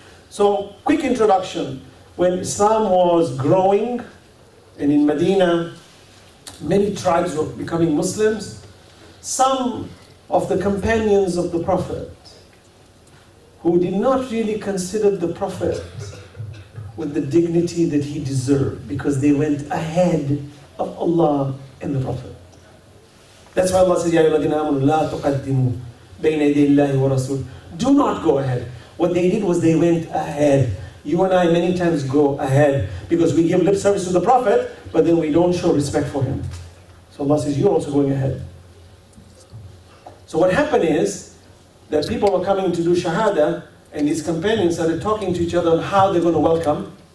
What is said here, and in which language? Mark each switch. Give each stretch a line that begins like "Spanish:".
English: So, quick introduction. When Islam was growing, and in Medina, many tribes were becoming Muslims, some of the companions of the Prophet, who did not really consider the Prophet with the dignity that he deserved, because they went ahead of Allah and the Prophet. That's why Allah says,
Arabic: يَا أَيُّهَا الَّذِينَ بَيْنَ يَدَيِ اللَّهِ وَرَسُولِ.
English: Do not go ahead. What they did was they went ahead. You and I many times go ahead because we give lip service to the Prophet, but then we don't show respect for him. So Allah says, you're also going ahead. So what happened is that people were coming to do Shahada, and his companions started talking to each other on how they're going to welcome.